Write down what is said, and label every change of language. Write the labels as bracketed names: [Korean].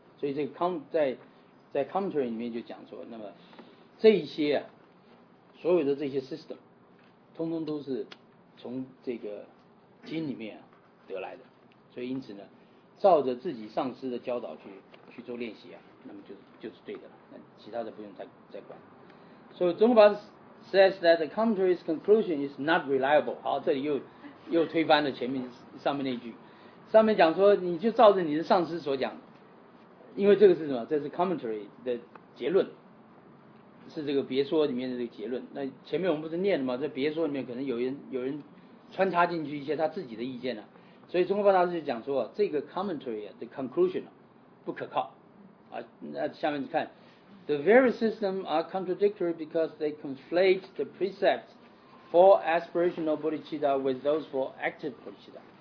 [Chinese] 所以这个在 commentary 里面就讲说，那么这些啊，所有的这些 system， 通通都是从这个经里面、啊、得来的，所以因此呢，照着自己上师的教导去做练习啊，那么就是对的了，那其他的不用再管。 [English] So Zongpa says that the commentary's conclusion is not reliable。 [Chinese] 好，这里又推翻了前面上面那句，上面讲说你就照着你的上师所讲，因为这个是什么？这是 commentary 的结论，是这个别说里面的这个结论。那前面我们不是念了吗？在别说里面可能有人穿插进去一些他自己的意见呢、啊。所以中国大师就讲说，这个 commentary 的 conclusion 不可靠啊。那下面你看 [English] ，the various systems are contradictory because they conflate the precepts for aspirational bodhicitta with those for active bodhicitta。